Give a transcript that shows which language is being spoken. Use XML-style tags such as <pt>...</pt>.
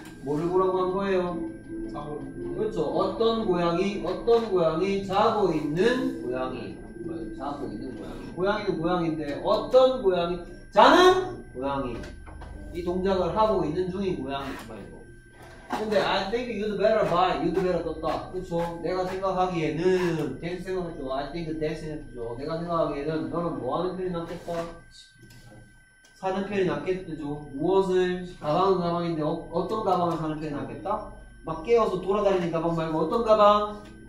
<ko>뭐를 보라고 한 거예요? 자고 있는. 그렇죠. 어떤 고양이 자고 있는 고양이. 자고 있는 고양이. 고양이는 고양인데 어떤 고양이 자는 고양이. 이 동작을 하고 있는 중인 모양이 말이고. 근데</ko> <en>I think you'd better buy, you'd better</en> <ko>떴다. 그쵸? 내가 생각하기에는 댄스 생각했죠.</ko> <en>I think that's it.</en> <ko>내가 생각하기에는 너는 뭐 하는 편이 낫겠다? 사는 편이 낫겠죠. 무엇을? 가방은 가방인데 어떤 가방을 사는 편이 낫겠다? 막 깨어서 돌아다니는 가방 말고 어떤 가방?</ko>